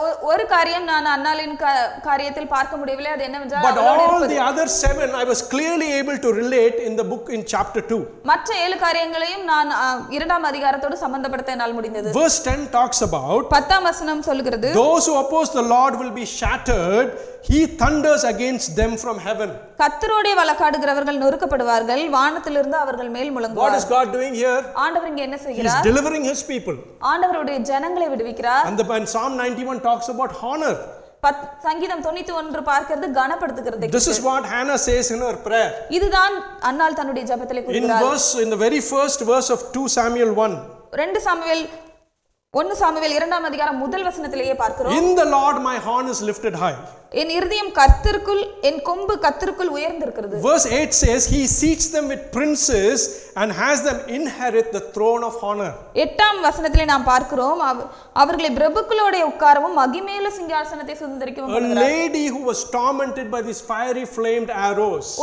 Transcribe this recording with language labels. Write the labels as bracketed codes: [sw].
[ta] ஒரு காரியம் நான் அன்னாலின் காரியத்தில் பார்க்க முடியவில்லை, அது என்னவென்றால் மற்ற 7 காரியங்களையும் நான் இரண்டாம் அதிகாரத்தோடு சம்பந்தப்படுத்த முடிந்தது. [en] Verse 10 talks about [ta] 10 வசனம் சொல்கிறது, [en] Those who oppose the Lord will be shattered. He thunders against them from heaven. [ta] கர்த்தருடைய வழக்காடுகிறவர்கள் நொறுக்கப்படுவார்கள், வானத்திலிருந்து அவர்கள் மேல் முழங்குவார். [en] What is God doing here? [ta] ஆண்டவர் இங்கே என்ன செய்கிறார்? [en] He is delivering his people. [ta] ஆண்டவருடைய ஜனங்களை விடுவிக்கிறார். [en] And Psalm 91 talks about honor. [ta] சங்கீதம் 91 பார்க்கிறது கனப்படுத்துகிறது. [en] This is what Hannah says in her prayer. [ta] இதுதான் அன்னாள் தன்னுடைய ஜெபத்திலே கூறுகிறார். [en] In the very first verse of 2 Samuel 1. [ta] 2 Samuel 1 Samuel 2 அதிகாரம் முதல் வசனத்திலேயே பார்க்கிறோம். [en] In the Lord my horn is lifted high. [ta] என் இருதயம் கர்த்தருக்குள், என் கொம்பு கர்த்தருக்குள் உயர்ந்திருக்கிறது. [en] Verse 8 says he seats them with princes and has them inherit the throne of honor. [ta] 8 வசனத்திலே நாம் பார்க்கிறோம், அவர்களை பிரபுக்களோட உட்காரவும் மகிமேல சிங்காசனத்தை சுதந்திரிக்கவும் பண்ணுகிறார். [en] A lady who was tormented by these fiery flamed arrows.